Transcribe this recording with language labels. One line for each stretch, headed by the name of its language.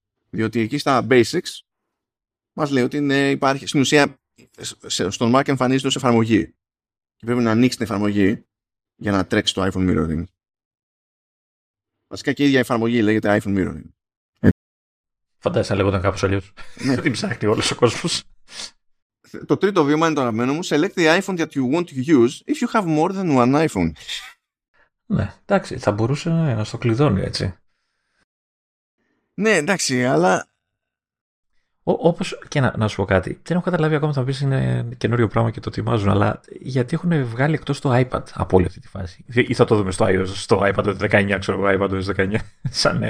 Greek: Διότι εκεί στα basics μας λέει ότι ναι, υπάρχει στην ουσία στον Mac εμφανίζεται ως εφαρμογή. Και πρέπει να ανοίξει την εφαρμογή για να τρέξει το iPhone Mirroring. Βασικά και η ίδια εφαρμογή λέγεται iPhone Mirroring. Φαντάζεσαι να λέγονταν κάποιος αλλιώς. Ναι. Δεν ψάχνει όλος ο κόσμος. Το τρίτο βήμα είναι το αγαπημένο μου.
English: Select the iPhone that you want to use if you have more than one iPhone.
Greek: Ναι, εντάξει, θα μπορούσε να στο κλειδώνει έτσι. Ναι, εντάξει, αλλά... Όπως και να σου πω κάτι, δεν έχω καταλάβει ακόμα, θα πεις είναι καινούριο πράγμα και το ετοιμάζουν, αλλά γιατί έχουν βγάλει εκτός το iPad από όλη αυτή τη φάση. Ή θα το δούμε στο iOS, στο iPad 19, ξέρω εγώ, iPad 19, σαν νέα.